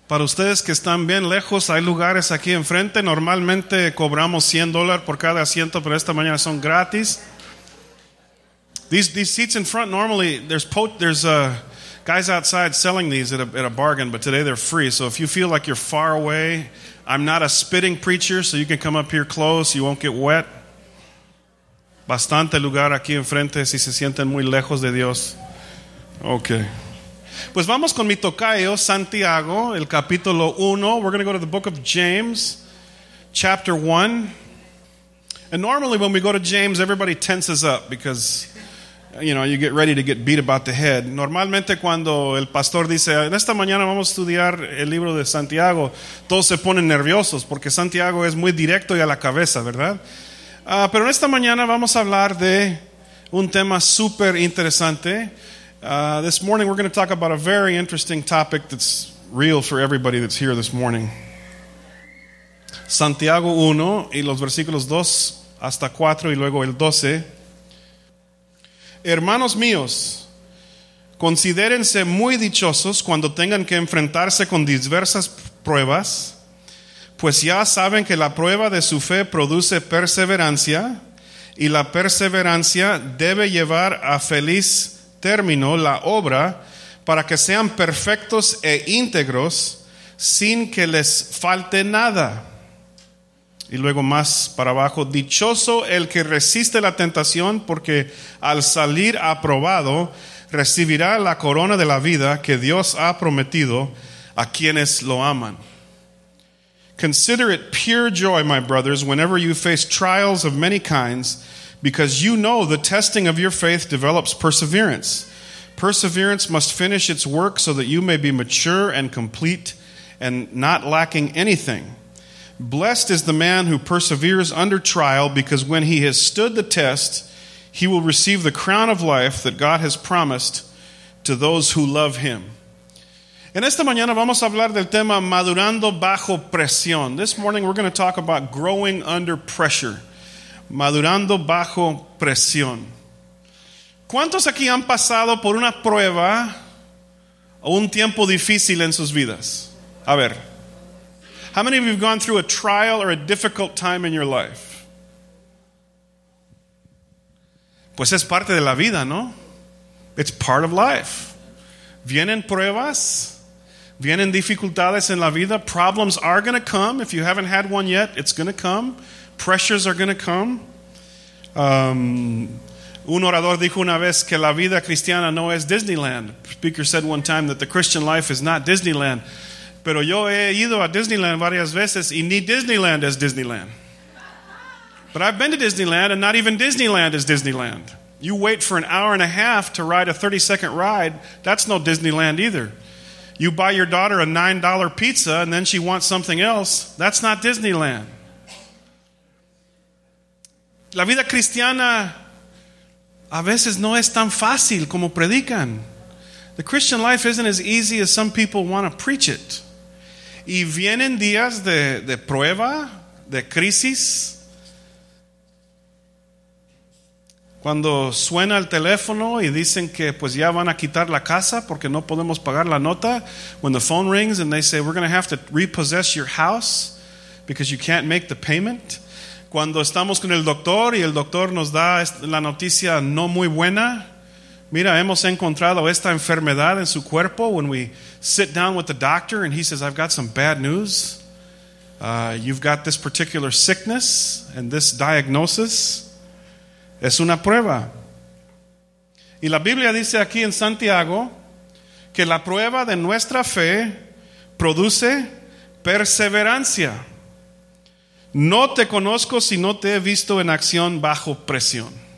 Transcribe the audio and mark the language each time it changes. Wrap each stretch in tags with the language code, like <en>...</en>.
<es>Para ustedes que están bien lejos, hay lugares aquí enfrente. Normalmente cobramos $100 por cada asiento, pero esta mañana son gratis.</es> <en>These seats in front, normally there's guys outside selling these at a bargain, but today they're free. So if you feel like you're far away, I'm not a spitting preacher, so you can come up here close, you won't get wet.</en> <es>Bastante lugar aquí enfrente si se sienten muy lejos de Dios. Okay. Pues vamos con mi tocayo, Santiago, el capítulo 1.</es> <en>We're going to go to the book of James, chapter 1. And normally when we go to James, everybody tenses up because, you know, you get ready to get beat about the head.</en> <es>Normalmente cuando el pastor dice, en esta mañana vamos a estudiar el libro de Santiago, todos se ponen nerviosos porque Santiago es muy directo y a la cabeza, ¿verdad? Pero en esta mañana vamos a hablar de un tema súper interesante.</es> <en>This morning we're going to talk about a very interesting topic that's real for everybody that's here this morning.</en> <es>Santiago 1 y los versículos 2 hasta 4 y luego el 12. Hermanos míos, considérense muy dichosos cuando tengan que enfrentarse con diversas pruebas, pues ya saben que la prueba de su fe produce perseverancia, y la perseverancia debe llevar a feliz término la obra para que sean perfectos e íntegros sin que les falte nada. Y luego más para abajo, dichoso el que resiste la tentación, porque al salir aprobado recibirá la corona de la vida que Dios ha prometido a quienes lo aman.</es> <en>Consider it pure joy, my brothers, whenever you face trials of many kinds, because you know the testing of your faith develops perseverance. Perseverance must finish its work so that you may be mature and complete and not lacking anything. Blessed is the man who perseveres under trial, because when he has stood the test, he will receive the crown of life that God has promised to those who love him.</en> <es>En esta mañana vamos a hablar del tema madurando bajo presión.</es> <en>This morning we're going to talk about growing under pressure.</en> <es>Madurando bajo presión. ¿Cuántos aquí han pasado por una prueba o un tiempo difícil en sus vidas? A ver.</es> <en>How many of you have gone through a trial or a difficult time in your life?</en> <es>Pues es parte de la vida, ¿no?</es> <en>It's part of life.</en> <es>Vienen pruebas, vienen dificultades en la vida.</es> <en>Problems are going to come. If you haven't had one yet, it's going to come. Pressures are going to come.</en> <es>Un orador dijo una vez que la vida cristiana no es Disneyland.</es> <en>The speaker said one time that the Christian life is not Disneyland.</en> <es>Pero yo he ido a Disneyland varias veces y ni Disneyland es Disneyland.</es> <en>But I've been to Disneyland and not even Disneyland is Disneyland. You wait for an hour and a half to ride a 30-second ride, that's no Disneyland either. You buy your daughter a $9 pizza and then she wants something else, that's not Disneyland.</en> <es>La vida cristiana a veces no es tan fácil como predican.</es> <en>The Christian life isn't as easy as some people want to preach it.</en> <es>Y vienen días de prueba, de crisis. Cuando suena el teléfono y dicen que pues ya van a quitar la casa porque no podemos pagar la nota.</es> <en>When the phone rings and they say we're going to have to repossess your house because you can't make the payment.</en> <es>Cuando estamos con el doctor y el doctor nos da la noticia no muy buena. Mira, hemos encontrado esta enfermedad en su cuerpo.</es> <en>When we sit down with the doctor and he says, I've got some bad news. You've got this particular sickness and this diagnosis.</en> <es>Es una prueba. Y la Biblia dice aquí en Santiago que la prueba de nuestra fe produce perseverancia. No te conozco si no te he visto en acción bajo presión.</es>